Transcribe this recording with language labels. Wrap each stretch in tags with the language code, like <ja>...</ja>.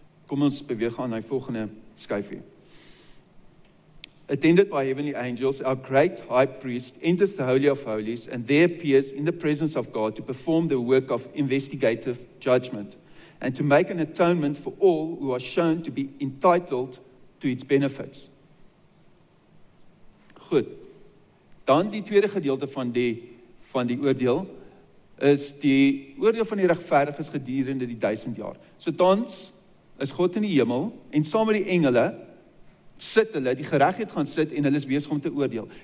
<af>Kom ons beweeg aan na die volgende skyfie.</af> <en>Attended by heavenly angels, our great high priest enters the Holy of Holies and there appears in the presence of God to perform the work of investigative judgment and to make an atonement for all who are shown to be entitled to its benefits.</en> <af>Goed. Dan die tweede gedeelte van die oordeel is die oordeel van die regverdiges gedurende die 1000 jaar. So tans is God in die hemel en saam met die engele sit hulle, die geregtigheid gaan sit en hulle is besig om te oordeel.</af>